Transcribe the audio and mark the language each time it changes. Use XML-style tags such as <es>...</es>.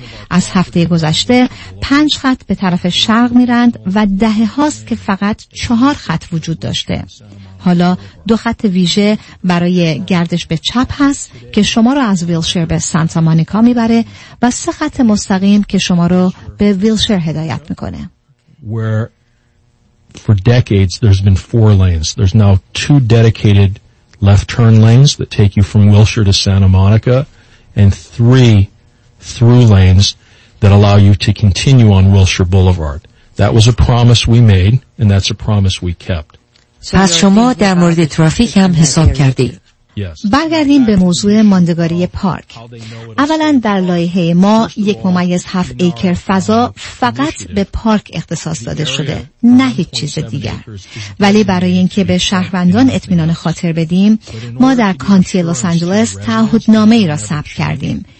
<fa>از هفته گذشته 5 خط به طرف شرق میرند و دهه هاست که فقط 4 خط وجود داشته. حالا 2 خط ویژه برای گردش به چپ هست که شما رو از ویلشر به سانتا مونیکا میبره و 3 خط مستقیم که شما رو به ویلشر هدایت میکنه.</fa> <en>Where for decades there's been 4 lanes. There's now 2 dedicated left turn lanes that take you from Wilshire to Santa Monica and 3 through lanes that allow you to continue on Wilshire Boulevard. That was a promise we made and that's a promise we kept.</en> <fa>پس شما در مورد ترافیک هم حساب کردید. برگردیم به موضوع ماندگاری پارک. اولا در لایحه ما 1.7 acre فضا فقط به پارک اختصاص داده شده، نه هیچ چیز دیگر. ولی برای اینکه به شهروندان اطمینان خاطر بدیم، ما در کانتی لس آنجلس تعهدنامه‌ای را ثبت کردیم.</fa>